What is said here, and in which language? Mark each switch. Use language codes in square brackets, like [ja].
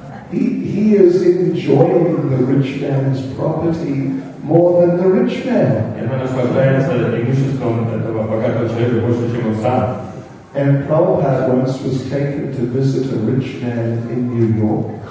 [en] He is enjoying the rich man's property more than the rich man. [ru] И она наслаждается имуществом этого богатого человека больше, чем он сам. [en] And Prabhupada once was taken to visit a rich man in New York.